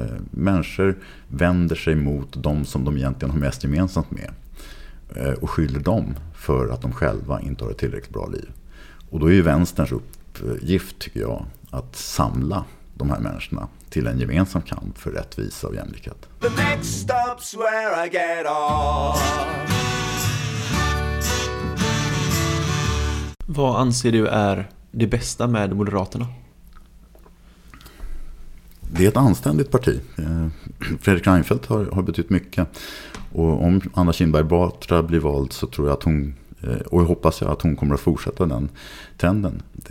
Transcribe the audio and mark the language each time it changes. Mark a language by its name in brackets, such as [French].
[Swedish] Människor vänder sig mot de som de egentligen har mest gemensamt med och skyller dem för att de själva inte har ett tillräckligt bra liv. Och då är ju vänsterns uppgift, tycker jag, att samla de här människorna till en gemensam kamp för rättvisa och jämlikhet. [English] The next stop's where I get off. [Swedish] Vad anser du är det bästa med Moderaterna? Det är ett anständigt parti. Fredrik Reinfeldt har betytt mycket. Och om Anna Kinberg Batra blir vald så tror jag att hon, och jag hoppas att hon kommer att fortsätta den trenden.